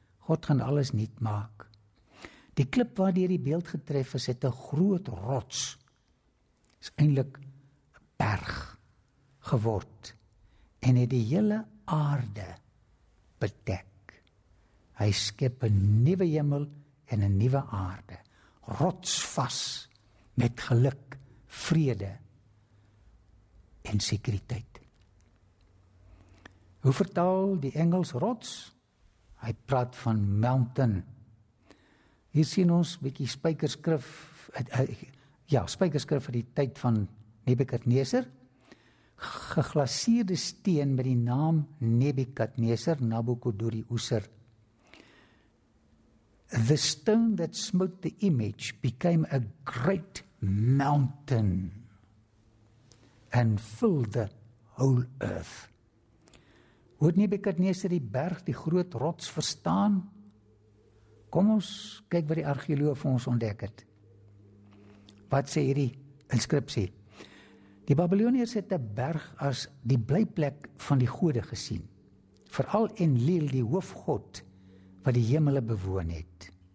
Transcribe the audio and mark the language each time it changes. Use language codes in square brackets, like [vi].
[af] God gaan alles nuut maak. Die klip waardeur die beeld getref is, het 'n groot rots. Is eintlik 'n berg geword en het die hele aarde bedek. Hy skep 'n nuwe hemel en 'n nuwe aarde. Rotsvas met geluk, vrede en sekuriteit. Hoe vertaal die Engels rots? Hy praat van mountain. Hier sien ons 'n bietjie spykerskrif, spykerskrif uit die tyd van Nebukadneser. Geglaseerde steen met die naam Nebukadneser, Nabucodonosor. [en] The stone that smote the image became a great mountain and filled the whole earth. [af] Hoe het Nebukadneser die berg, die groot rots, verstaan? Kom ons kyk wat die argeoloog vir ons ontdek het. Wat sê hierdie inskripsie? Die Babiloniërs het 'n berg as die blyplek van die gode gesien. Veral Enlil, die hoofgod, wat die hemele bewoon het.